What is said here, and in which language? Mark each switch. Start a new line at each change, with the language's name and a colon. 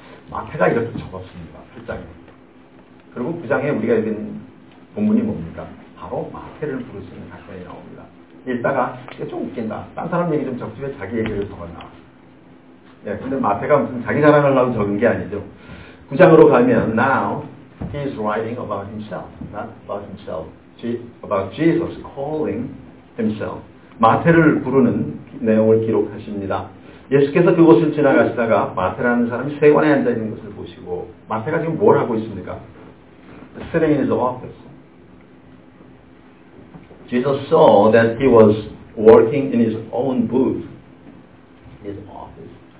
Korean: 마태가 이렇게 적었습니다. 8장에. 그리고 9장에 우리가 읽은 본문이 뭡니까? 바로 마태를 부르시는 사건이 나옵니다. 읽다가 이게 좀 웃긴다. 딴 사람 얘기 좀 적지 왜 자기 얘기를 적었나. 예, 근데 마태가 무슨 자기 자랑하려고 적은 게 아니죠. 9장으로 가면
English: Now he is writing about himself, not about himself, about Jesus calling himself.
Korean: 마태를 부르는 내용을 기록하십니다. 예수께서 그곳을 지나가시다가 마태라는 사람이 세관에 앉아있는 것을 보시고, 마태가 지금 뭘 하고 있습니까?
English: Sitting in his office. Jesus saw that he was working in his own booth, his office.